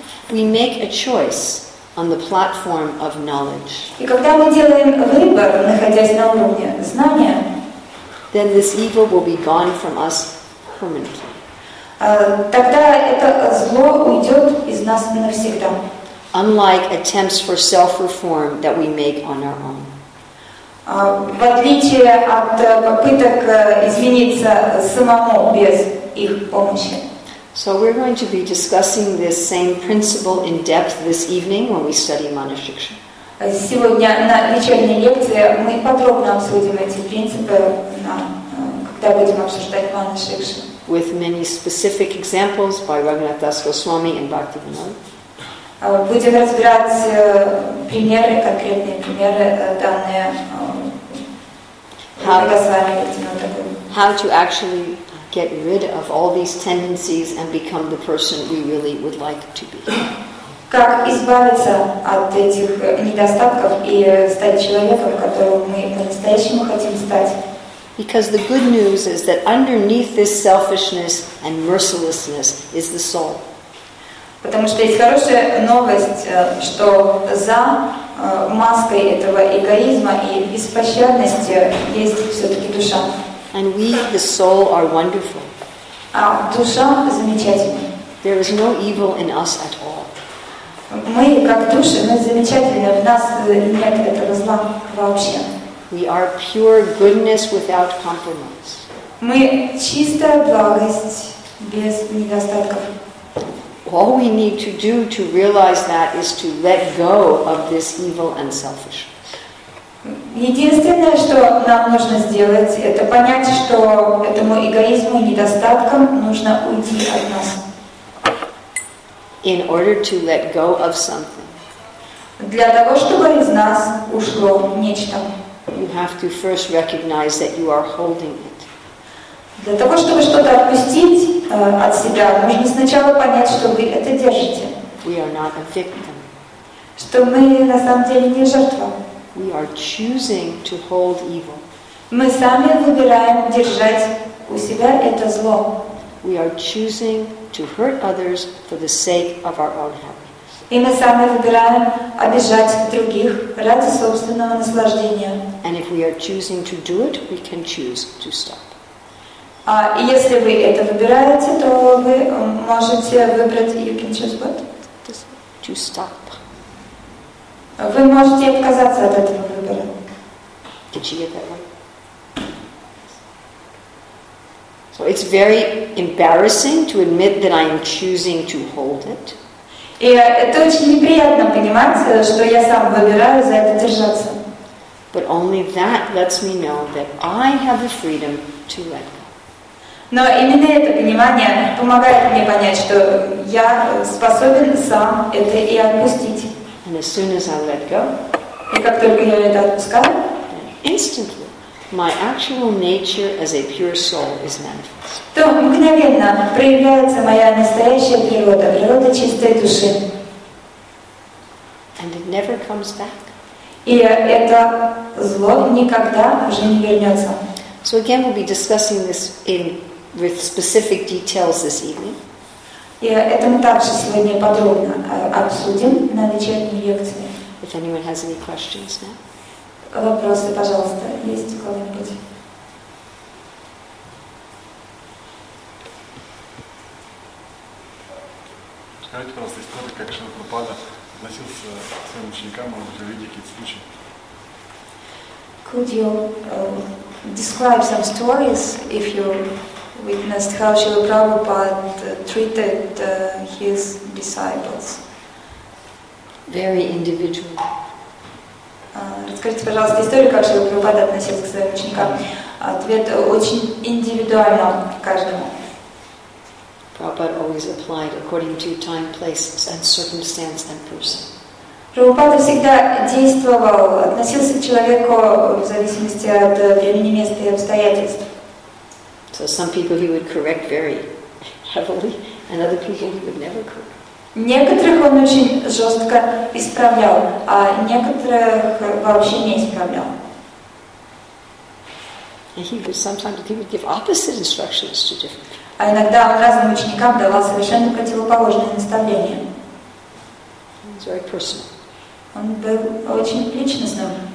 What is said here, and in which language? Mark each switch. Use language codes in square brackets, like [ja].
[en] we make a choice on the platform of knowledge, [ru] и когда мы делаем выбор, находясь на уровне знания, [en] then this evil will be gone from us permanently. [ru] Тогда это зло уйдет из нас навсегда. [en] Unlike attempts for self-reform that we make on our own. [ru] В отличие от попыток измениться самому без их помощи. [en] So we're going to be discussing this same principle in depth this evening when we study Manushiksha. [ru] Сегодня на вечерней лекции мы подробно обсудим эти принципы, когда будем обсуждать Манушикшу. [en] With many specific examples by Raghunath Das Goswami and Bhaktivinoda. [ru] Будем разбирать примеры, конкретные примеры, данные [en] How to actually get rid of all these tendencies and become the person we really would like to be. [ru] Как избавиться от этих недостатков и стать человеком, которым мы по-настоящему хотим стать? [en] Because the good news is that underneath this selfishness and mercilessness is the soul. [ru] Потому что есть хорошая новость, что за маской этого эгоизма и беспощадности есть все-таки душа. [en] And we, the soul, are wonderful. [ru] А душа замечательна. [en] There is no evil in us at all. [ru] Мы как души, мы замечательны, в нас нет этого зла вообще. [en] We are pure goodness without compromise. [ru] Мы чистая благость без недостатков. [en] All we need to do to realize that is to let go of this evil and selfishness. [ru] Единственное, что нам нужно сделать, это понять, что этому эгоизму и недостаткам нужно уйти от нас. [en] In order to let go of something. [ru] Для того, чтобы из нас ушло нечто. [en] You have to first recognize that you are holding it. [ru] Для того, чтобы что-то отпустить от себя, нужно сначала понять, что вы это держите. [en] We are not a victim. [ru] Что мы на самом деле не жертва. [en] We are choosing to hold evil. [ru] Мы сами выбираем держать у себя это зло. [en] We are choosing to hurt others for the sake of our own happiness. [ru] И мы сами выбираем обижать других ради собственного наслаждения. [en] And if we are choosing to do it, we can choose to stop. [ru] И если вы это выбираете, то вы можете выбрать [en] you can choose what? To stop. [ru] Вы можете отказаться от этого выбора. [en] Did you get that one? So it's very embarrassing to admit that I am choosing to hold it. [ru] И это очень неприятно понимать, что я сам выбираю за это держаться. [en] But only that lets me know that I have the freedom to let go. [ru] Но именно это понимание помогает мне понять, что я способен сам это и отпустить. [en] And as soon as I let go, [ru] и как только я это отпускаю, [en] instantly my actual nature as a pure soul is manifest. [ru] То мгновенно проявляется моя настоящая природа, природа чистой души. [en] And it never comes back. [ru] И это зло никогда уже не вернется. [en] So again, we'll be discussing this with specific details this evening. [ru] Это мы также сегодня подробно обсудим на вечерней лекции. [en] If anyone has any questions now. [ru] Вопросы, пожалуйста, есть у кого-нибудь? Расскажите, пожалуйста, историю, как Шрила Прабхупада относился к своим ученикам, может быть, вы видели какие-то случаи? [en] Could you describe some stories if you witnessed how Srila Prabhupada treated his disciples? Very individual. [ru] Расскажите, пожалуйста, историю, как Шрила Прабхупада относился к своим ученикам. Ответ очень индивидуально каждому. [en] Prabhupada always applied according to time, place, and circumstance and person. [ru] Прабхупада всегда действовал, относился к человеку в зависимости от времени, места и обстоятельств. [en] So some people he would correct very heavily, and other people he would never correct. [ru] Некоторых он очень жестко исправлял, а некоторых вообще не исправлял. [en] And he would sometimes he would give opposite instructions to different people. [ru] А иногда он разным ученикам давал совершенно противоположные наставления. [en] It's very personal. [ru] Он был очень личностным.